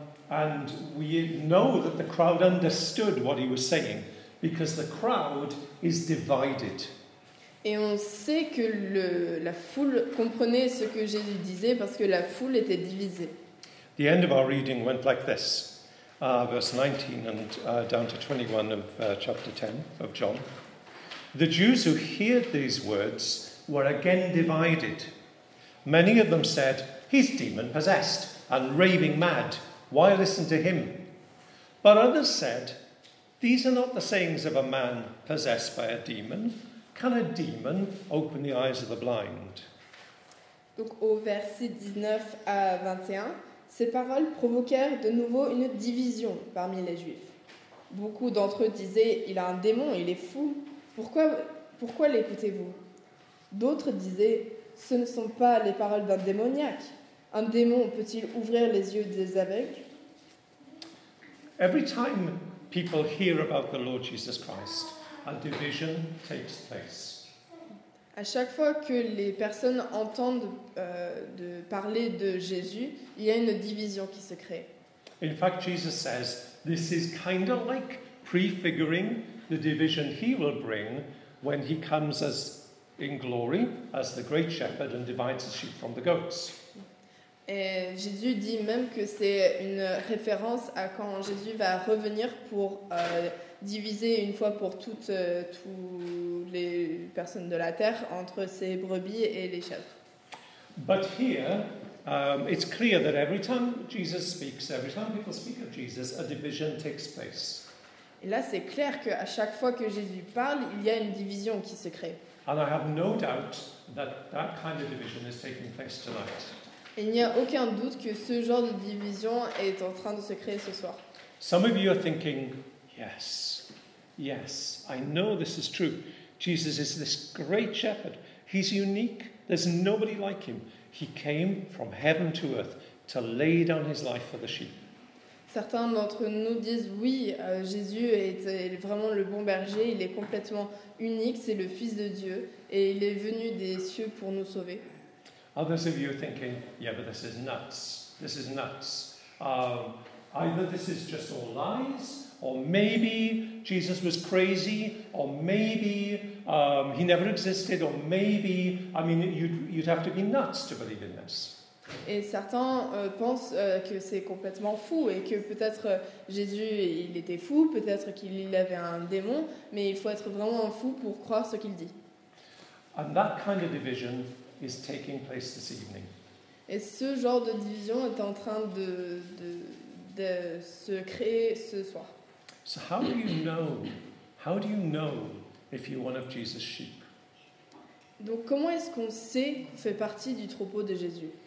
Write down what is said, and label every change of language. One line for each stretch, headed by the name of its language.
English: And we know that the crowd understood what he was saying because the crowd is divided.
French: Et on sait que la foule comprenait ce que Jésus disait parce que la foule était divisée.
English: The end of our reading went like this. Verse 19 and down to 21 of chapter 10 of John. The Jews who heard these words were again divided. Many of them said, "He's demon-possessed and raving mad. Why listen to him?" But others said, "These are not the sayings of a man possessed by a demon. Can a demon open the eyes of the blind?"
French: Donc au verset 19 à 21, ces paroles provoquèrent de nouveau une division parmi les Juifs. Beaucoup d'entre eux disaient, « Il a un démon, il est fou. Pourquoi l'écoutez-vous ?» D'autres disaient, « Ce ne sont pas les paroles d'un démoniaque. Un démon peut-il ouvrir les yeux des aveugles ?»
English: Every time people hear about the Lord Jesus Christ, a division takes place.
French: À chaque fois que les personnes entendent de parler de Jésus, il y a une division qui se crée.
English: In fact, Jesus says this is kind of like prefiguring the division he will bring when he comes as in glory as the great shepherd and divides the sheep from the goats.
French: Et Jésus dit même que c'est une référence à quand Jésus va revenir pour diviser une fois pour toutes toutes les personnes de la terre entre ses brebis et les chèvres.
English: But here, it's clear that every time Jesus speaks, every time people speak of Jesus, a division takes place.
French: Et là, c'est clair que à chaque fois que Jésus parle, il y a une division qui se crée.
English: And I have no doubt that that kind of division is taking place tonight.
French: Il n'y a aucun doute que ce genre de division est en train de se créer ce soir.
English: Some of you are thinking, yes, yes, I know this is true. Jesus is this great shepherd. He's unique. There's nobody like him. He came from heaven to earth to lay down his life for the sheep.
French: Certains d'entre nous disent oui, Jésus est vraiment le bon berger, il est complètement unique, c'est le Fils de Dieu et il est venu des cieux pour nous sauver.
English: Others of you are thinking, yeah, but this is nuts. This is nuts. Either this is just all lies, or maybe Jesus was crazy, or maybe he never existed, or maybe, I mean, you'd have to be nuts to believe in this.
French: Et certains pensent que c'est complètement fou et que peut-être Jésus il était fou, peut-être qu'il avait un démon, mais il faut être vraiment fou pour croire ce qu'il dit.
English: And that kind of division is taking place this evening.
French: Et ce genre de division est en train de se créer ce soir.
English: So how do you know if you're one of Jesus' sheep?
French: Donc comment est-ce qu'on sait qu'on fait partie du troupeau de Jésus?